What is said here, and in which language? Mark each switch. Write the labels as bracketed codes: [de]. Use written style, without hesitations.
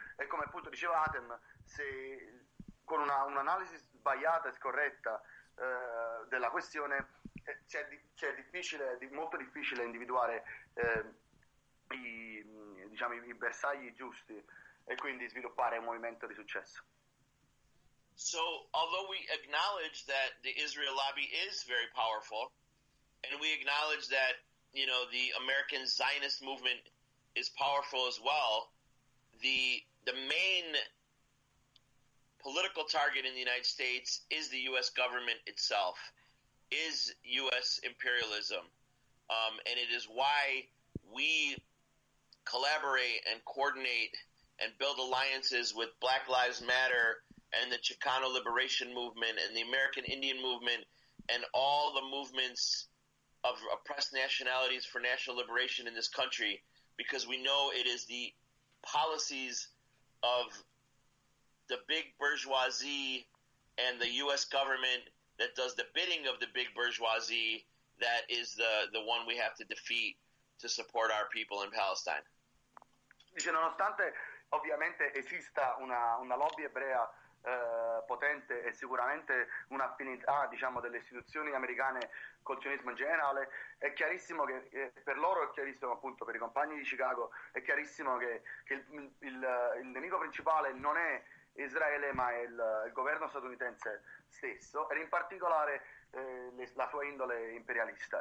[it] E come appunto diceva Atem, se con un'analisi sbagliata e scorretta della questione è molto difficile individuare i bersagli giusti e quindi sviluppare un movimento di successo. [en] So, although we acknowledge that the Israel lobby is very powerful, and we acknowledge that, you know, the American Zionist movement is powerful as well, the main political target in the United States is the U.S. government itself, is U.S. imperialism, and it is why we collaborate and coordinate and build alliances with Black Lives Matter and the Chicano Liberation Movement and the American Indian Movement and all the movements of oppressed nationalities for national liberation in this country, because we know it is the policies of the big bourgeoisie and the U.S. government that does the bidding of the big bourgeoisie that is the one we have to defeat to support our people in Palestine. [it] Dice, nonostante ovviamente esista una lobby ebrea potente e sicuramente un'affinità, diciamo, delle istituzioni americane col sionismo in generale, è chiarissimo che per loro, è chiarissimo appunto per i compagni di Chicago, è chiarissimo che il nemico principale non è Israele, ma è il governo statunitense stesso, e in particolare la sua indole imperialista.